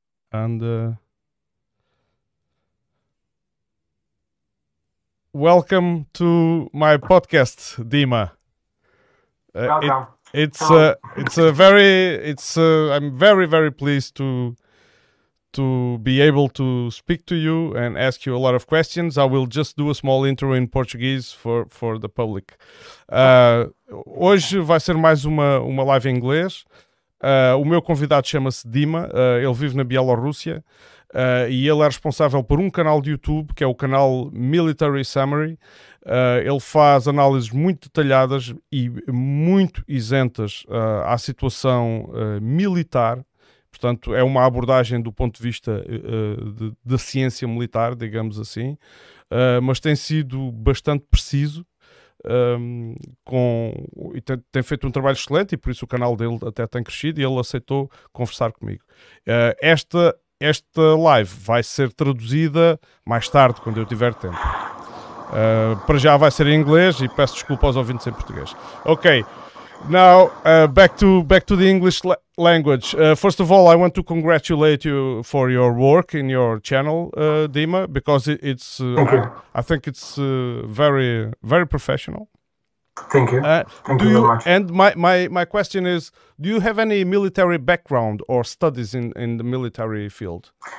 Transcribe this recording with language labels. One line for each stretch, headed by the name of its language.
English: And welcome to my podcast, Dima. I'm very, very pleased to be able to speak to you and ask you a lot of questions. I will just do a small intro in Portuguese for the public.
Portuguese: Hoje vai ser mais uma live em inglês. O meu convidado chama-se Dima, ele vive na Bielorrússia e ele é responsável por um canal de YouTube, que é o canal Military Summary. Ele faz análises muito detalhadas e muito isentas à situação militar. Portanto, é uma abordagem do ponto de vista da ciência militar, digamos assim, mas tem sido bastante preciso e tem feito um trabalho excelente e por isso o canal dele até tem crescido e ele aceitou conversar comigo. Esta live vai ser traduzida mais tarde, quando eu tiver tempo. Para já vai ser em inglês e peço desculpa aos ouvintes em português.
English: Ok. Now, back to the English language. First of all, I want to congratulate you for your work in your channel, Dima, because it's I think it's very, very professional. Thank you. Thank you very much. And my question is, do you have any military background or studies in the military field?